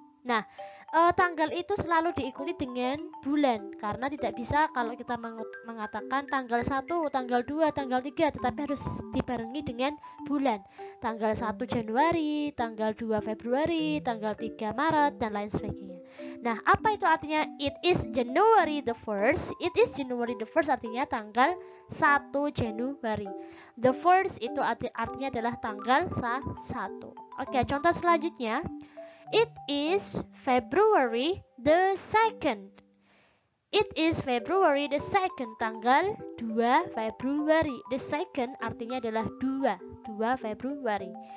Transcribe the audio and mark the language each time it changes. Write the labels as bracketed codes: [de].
[id] Nah, tanggal itu selalu diikuti dengan bulan, karena tidak bisa kalau kita mengatakan tanggal 1, tanggal 2, tanggal 3, tetapi harus dibarengi dengan bulan. Tanggal 1 Januari, tanggal 2 Februari, tanggal 3 Maret, dan lain sebagainya. Nah, apa itu artinya [en] it is January the 1st? It is January the 1st [id] artinya tanggal 1 Januari. The 1st itu artinya adalah tanggal 1. Oke, contoh selanjutnya. [en] It is February the 2nd. It is February the 2nd, [id] tanggal 2 Februari. The 2nd artinya adalah 2, 2 Februari.